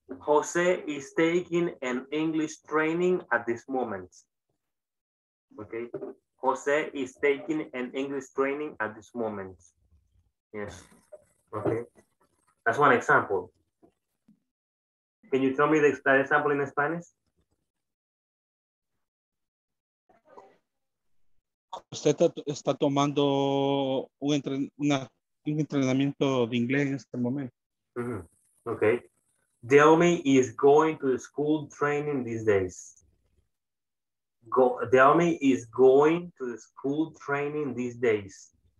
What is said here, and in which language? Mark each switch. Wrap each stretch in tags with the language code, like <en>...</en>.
<en>Jose is taking an English training at this moment. Okay. Jose is taking an English training at this moment. Yes. Okay. That's one example. Can you tell me that example in Spanish?</en> <es>Usted está tomando un entrenamiento de inglés en este momento.</es> <en>Mm-hmm. Okay. Delmi is going to school training these days. Delmi is going to school training these days.</en>